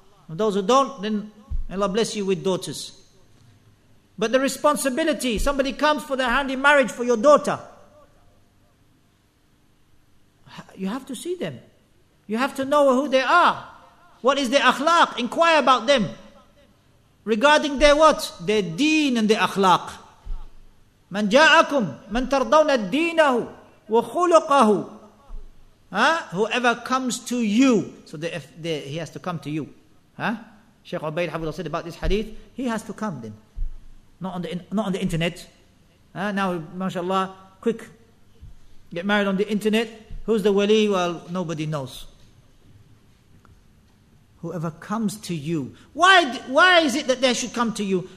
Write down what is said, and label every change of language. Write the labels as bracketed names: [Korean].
[English] And those who don't, then Allah bless you with daughters. But the responsibility, somebody comes for the hand in marriage for your daughter. You have to see them. You have to know who they are. What is their akhlaq? Inquire about them. Regarding their what? Their deen and their akhlaq. [Arabic] مَنْ جَاءَكُمْ مَنْ تَرْضَوْنَ دِينَهُ وَخُلُقَهُ [English] Whoever comes to you. So he has to come to you. Sheikh Ubayd Hafidhullah said about this hadith, he has to come then. Not on the internet. Now, mashallah, quick. Get married on the internet. Who's the wali? Well, nobody knows. Whoever comes to you. Why is it that they should come to you?